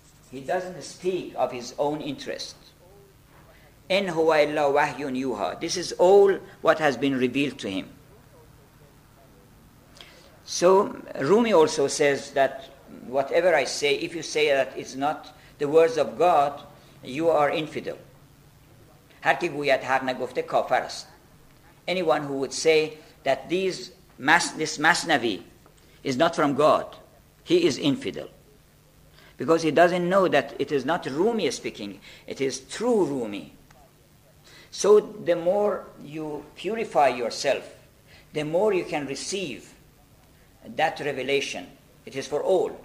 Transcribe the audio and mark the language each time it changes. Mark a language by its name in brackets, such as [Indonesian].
[English] He doesn't speak of his own interest. [Arabic] إِنْ هُوَ إِلَّا وَحْيٌ يُوحَى. [English] This is all what has been revealed to him. So Rumi also says that whatever I say, if you say that it's not the words of God, you are infidel. [Persian] هر کی گوید حق نگفته کافر است. [English] Anyone who would say that this Masnavi is not from God, he is infidel. Because he doesn't know that it is not Rumi speaking, it is true Rumi. So the more you purify yourself, the more you can receive that revelation. It is for all.